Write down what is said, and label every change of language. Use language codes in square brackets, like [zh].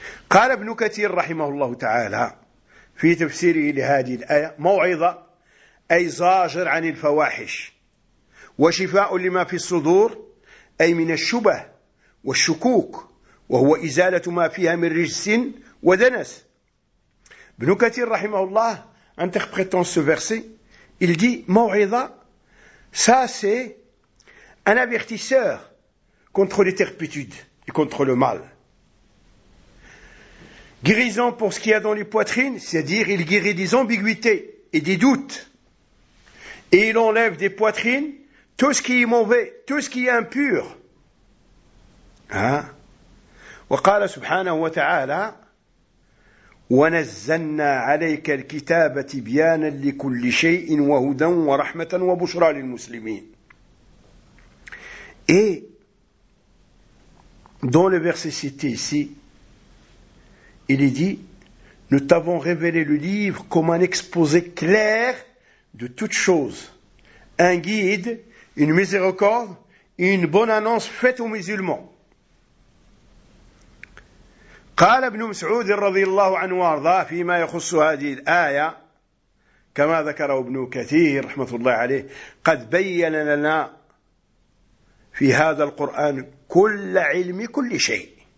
[ar] قال ابن كثير رحمه الله تعالى في تفسيره لهذه الآية موعظة أي زاجر عن الفواحش وشفاء لما في الصدور أي من الشبه والشكوك وهو إزالة ما فيها من رجس ودنس. ابن كثير رحمه الله [fr] interprétant ce verset, il dit موعظة, ça c'est un avertisseur contre les turpitudes et contre le mal. Guérison pour ce qu'il y a dans les poitrines, c'est-à-dire il guérit des ambiguïtés et des doutes. Et il enlève des poitrines tout ce qui est mauvais, tout ce qui est impur. Hein? [ar] وقال سبحانه وتعالى ونزلنا عليك الكتاب تبيانا لكل شيء وهدى ورحمة وبشرى للمسلمين. [fr] Et dans le verset cité ici, il est dit, nous t'avons révélé le livre comme un exposé clair de toutes choses, un guide, une miséricorde et une bonne annonce faite aux musulmans. [ar] قال ابن مسعود رضي الله عنه وارضى فيما يخص هذه الآية كما ذكره ابن كثير رحمة الله عليه قد بين لنا في هذا القرآن كل علم كل شيء.